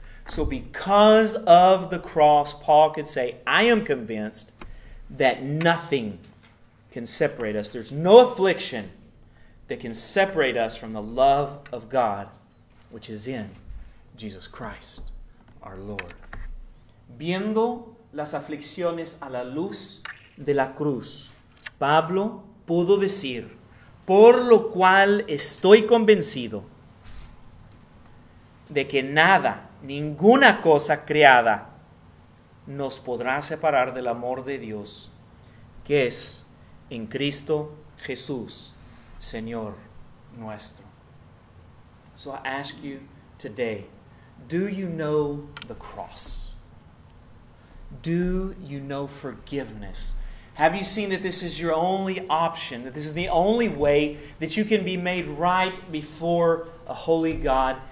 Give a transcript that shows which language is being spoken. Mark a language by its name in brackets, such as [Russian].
[English] So because of the cross, Paul could say, I am convinced that nothing can separate us. There's no affliction that can separate us from the love of God, which is in Jesus Christ, our Lord. [Spanish] Viendo las aflicciones a la luz de la cruz, Pablo pudo decir, por lo cual estoy convencido de que nada, ninguna cosa creada nos podrá separar del amor de Dios, que es en Cristo Jesús, Señor nuestro. [English] So I ask you today, do you know the cross? Do you know forgiveness? Have you seen that this is your only option, that this is the only way that you can be made right before a holy God?